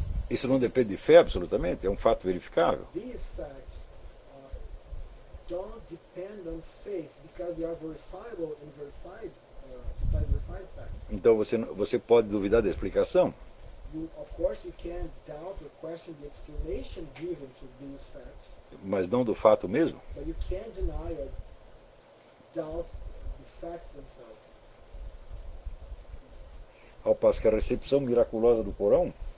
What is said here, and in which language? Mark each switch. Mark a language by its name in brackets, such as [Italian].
[Portuguese] Isso não depende de fé absolutamente, é um fato verificável. [English] These facts don't depend on faith because they are verifiable and verified, verified facts. [Portuguese] Então você pode duvidar da explicação? [English] You, of course you can doubt or question the explanation given to these facts. [Portuguese] Mas não do fato mesmo? [English] But you can deny or doubt the facts themselves. [Portuguese] Ao passo que a recepção miraculosa do Corão,